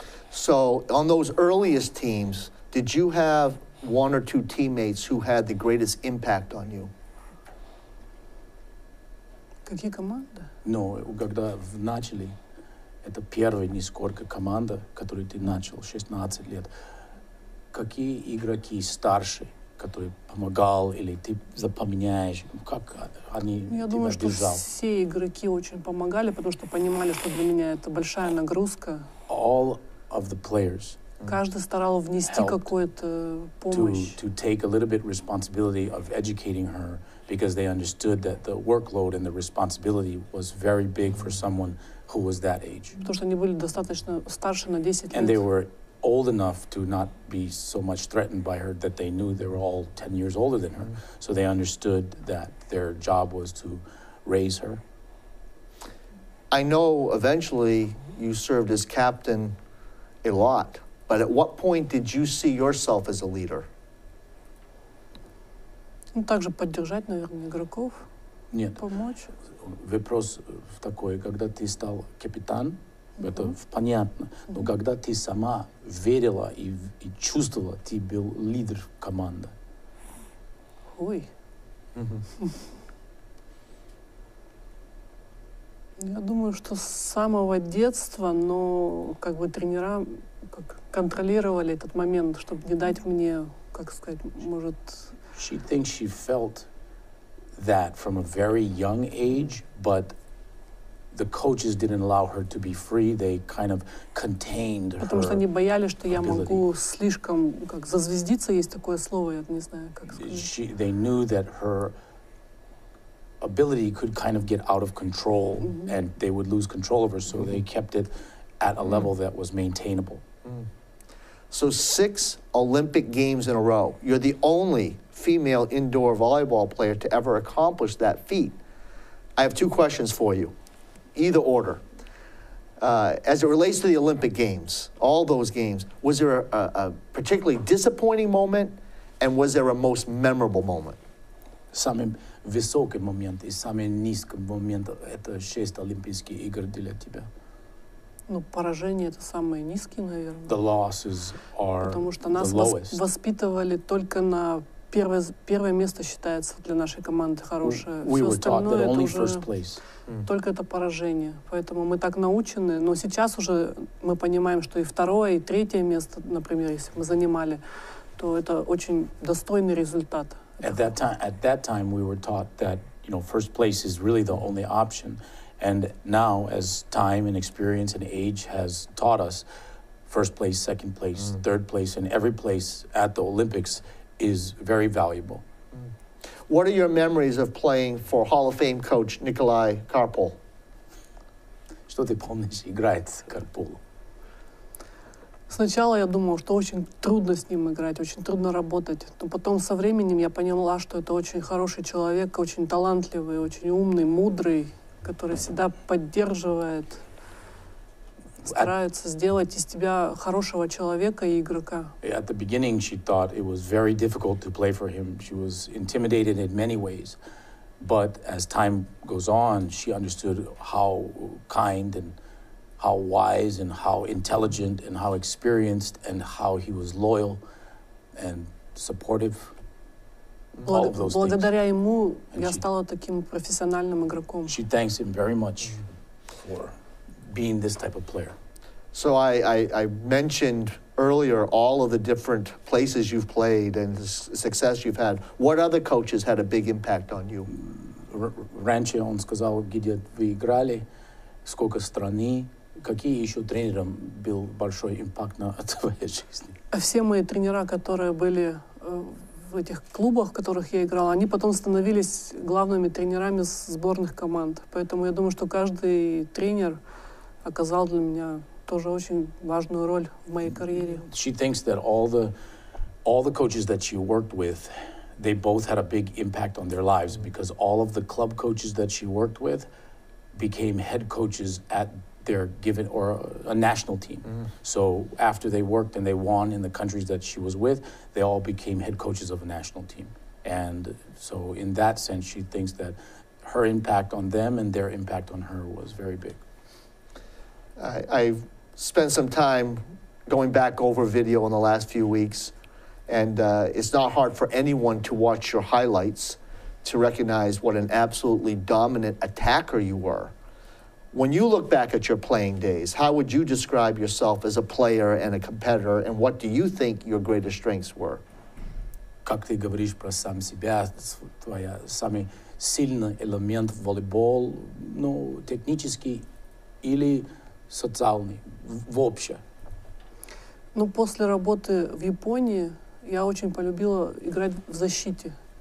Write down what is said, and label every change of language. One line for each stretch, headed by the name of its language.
English: So, on those earliest teams, did you have one or two teammates who had the greatest impact on you?
Russian: Какие команды? Но когда в начале, это первая несколько команда, которую ты начал, 16 лет, какие игроки старше который помогал, или ты запоминаешь, как они тебя держали? Я думаю, что все игроки очень помогали, потому что понимали, что для меня это большая нагрузка.
English: All of the players.
Russian: Каждый старался внести какую-то помощь.
English: To take a little bit responsibility of educating her, because they understood that the workload and the responsibility was very big for someone who was that age.
Russian: Потому что они были достаточно старше на 10 лет.
English: And they were old enough to not be so much threatened by her, that they knew they were all 10 years older than her. Mm-hmm. So they understood that their job was to raise her. I know eventually you served as captain a lot, but at what point did you see yourself as a leader?
Russian: Ну, также поддержать, наверное, игроков. Нет. Помочь. Вопрос такой, когда ты стал капитан, это понятно. Mm-hmm. Но когда ты сама верила и чувствовала, ты был лидер команды. Ой. Mm-hmm. Я думаю, что с самого детства, но как бы тренера как контролировали этот момент, чтобы не дать мне, как сказать, может...
English: She thinks she felt that from a very young age, but the coaches didn't allow her to be free. They kind of contained her.
Russian: Потому что они боялись, что я могу слишком как зазвездиться, есть такое слово, я не знаю, как сказать.
English: They knew that her ability could kind of get out of control, mm-hmm. and they would lose control of her, so mm-hmm. they kept it at a level mm-hmm. that was maintainable. So 6 Olympic games in a row. You're the only female indoor volleyball player to ever accomplish that feat. I have 2 questions for you. Either order. As it relates to the Olympic Games, all those games, was there a particularly disappointing moment, and was there a most memorable moment?
Russian: Самый высокий момент и самый низкий момент — это 6 Олимпийские игр для тебя. Ну, поражение — это самое низкое, наверное.
English: The losses are the lowest.
Russian: Потому что нас воспитывали только на первое место считается для нашей команды хорошее.
English: We were taught that only first place.
Russian: Только это поражение. Поэтому мы так научены. Но сейчас уже мы понимаем, что и второе, и третье место, например, если мы занимали, то это очень достойный результат.
English: At that time we were taught that, you know, first place is really the only option. And now, as time and experience and age has taught us, first place, second place, third place, and every place at the Olympics is very valuable. What are your memories of playing for Hall of Fame coach Николай Карпул?
Russian: Что ты помнишь, играть с Карпулом? Сначала я думала, что очень трудно с ним играть, очень трудно работать. Но потом со временем я поняла, что это очень хороший человек, очень талантливый, очень умный, мудрый, который всегда поддерживает, старается сделать из тебя хорошего человека и игрока.
English: At the beginning, she thought it was very difficult to play for him. She was intimidated in many ways. But as time goes on, she understood how kind and how wise and how intelligent and how experienced and how he was loyal and supportive.
Russian: Благодаря ему я стала таким профессиональным игроком.
English: She thanks him very much for being this type of player. So I mentioned earlier all of the different places you've played and the success you've had. What other coaches had a big impact on you?
Russian: Раньше он сказал, где вы играли, сколько страны, какие еще тренером был большой импакт на твоей жизни? Все мои тренера, которые были в этих клубах, в которых я играла, они потом становились главными тренерами сборных команд. Поэтому я думаю, что каждый тренер оказал для меня тоже очень важную роль в моей карьере.
English: She thinks that all the coaches that she worked with, they both had a big impact on their lives, because all of the club coaches that she worked with became head coaches at their given or a national team. Mm-hmm. So after they worked and they won in the countries that she was with, they all became head coaches of a national team. And so in that sense, she thinks that her impact on them and their impact on her was very big. I've spent some time going back over video in the last few weeks, and it's not hard for anyone to watch your highlights to recognize what an absolutely dominant attacker you were. When you look back at your playing days, how would you describe yourself as a player and a competitor, and what do you think your greatest strengths were?
Russian: как ты говоришь про сам себя, твоя самый сильный элемент в волейбол, ну, технический или социальный, в общем? Ну, после работы в Японии я очень полюбила играть в защите.